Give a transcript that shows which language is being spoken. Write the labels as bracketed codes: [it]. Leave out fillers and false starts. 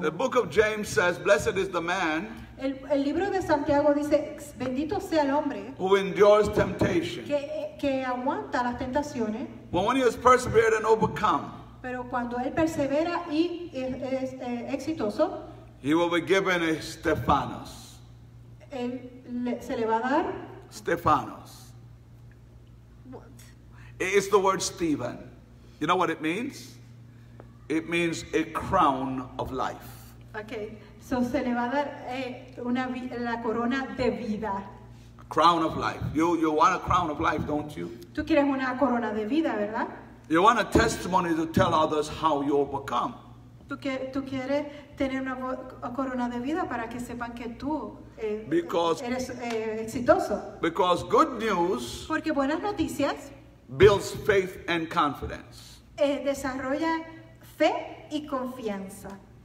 [en] The book of James says, blessed is the man. [es] El libro de Santiago dice, bendito sea el hombre. [en] Who endures temptation. [es] Que aguanta las tentaciones. [en] But when he has persevered and overcome. [es] Pero cuando él persevera y es exitoso. [en] He will be given a Stephanos. [es] Se le va a dar? [en] Stephanos. What? It's the word Stephen. You know what it means? It means a crown of life. Okay. So [es] se le va a dar la corona de vida. [en] A crown of life. You want a crown of life, don't you? [es] Tú quieres una corona de vida, ¿verdad? [en] You want a testimony to tell others how you overcome. [es] Tú quieres tener una corona de vida para que sepan que tú eres exitoso. [en] Because good news, [es] porque buenas noticias, [en] builds faith and confidence. [es] Desarrolla fe y confianza.